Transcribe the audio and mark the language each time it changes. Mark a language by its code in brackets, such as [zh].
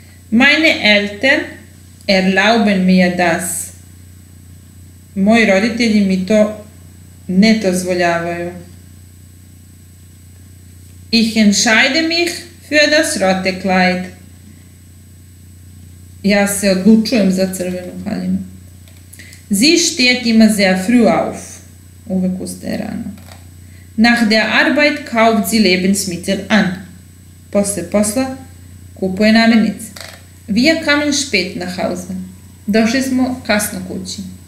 [de] Meine Eltern erlauben mir das. [sr] Moji roditelji mi to ne dozvoljavaju. [de] Ich entscheide mich für das rote Kleid. [sr] Ja se odlučujem za crvenu haljinu. [de] Sie steht immer sehr früh auf. [sr] Uvek ustaje rano. [de] Nach der Arbeit kauft sie Lebensmittel an. [sr] Posle posla kupuje namirnice. [de] Wir kamen spät nach Hause. [sr] Došli smo kasno kući.